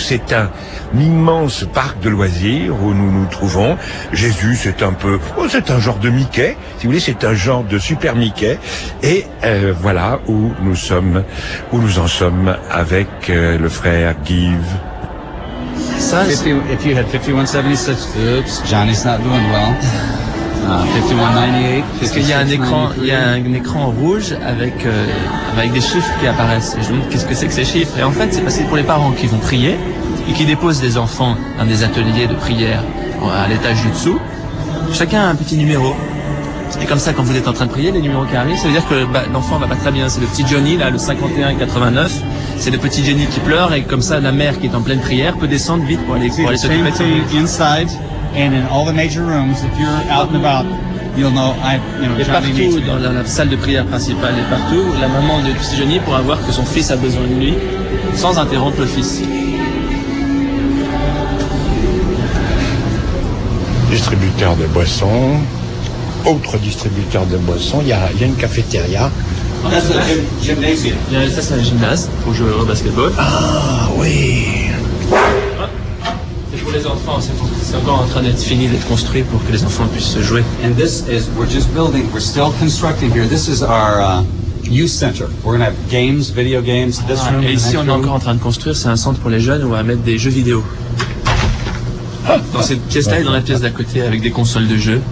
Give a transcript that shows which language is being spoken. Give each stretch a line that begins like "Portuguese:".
French: C'est un immense parc de loisirs où nous nous trouvons. Jésus, c'est un peu... Oh, c'est un genre de Mickey. Si vous voulez, c'est un genre de super Mickey. Et voilà où nous sommes, où nous en sommes avec le frère Give.
English: So, if you had 5176, oops, Johnny's not doing well. 5198.
French: Il y a un écran rouge avec avec des chiffres qui apparaissent. Et je me demande qu'est-ce que ces chiffres. Et en fait, c'est parce que pour les parents qui vont prier et qui déposent des enfants dans des ateliers de prière à l'étage du dessous, chacun a un petit numéro. Et comme ça, quand vous êtes en train de prier, les numéros qui arrivent, ça veut dire que l'enfant va pas très bien. C'est le petit Johnny, là, le 51-89. C'est le petit Johnny qui pleure, et comme ça, la mère qui est en pleine prière peut descendre vite pour aller s'occuper.
English: And in all the major rooms, if you're out and about, you'll know Johnny needs me.
French: Et partout, dans la salle de prière principale, et partout, la maman de petit Johnny pourra voir que son fils a besoin de lui, sans interrompre le fils. Distributeur de boissons. Autre distributeur de boissons. Il y a une cafétéria.
English: That's a gymnasium.
French: Ça, c'est un gymnase pour jouer au basketball. Ah, oui. Les enfants, c'est encore en train d'être fini, d'être construit pour que les enfants puissent se jouer.
English: And this is, we're just building, we're still constructing here. This is our youth center. We're going to have games, video games. This room,
French: et ici, on est encore en train de construire, c'est un centre pour les jeunes où on va mettre des jeux vidéo. Dans cette pièce-là et dans la pièce d'à côté avec des consoles de jeux.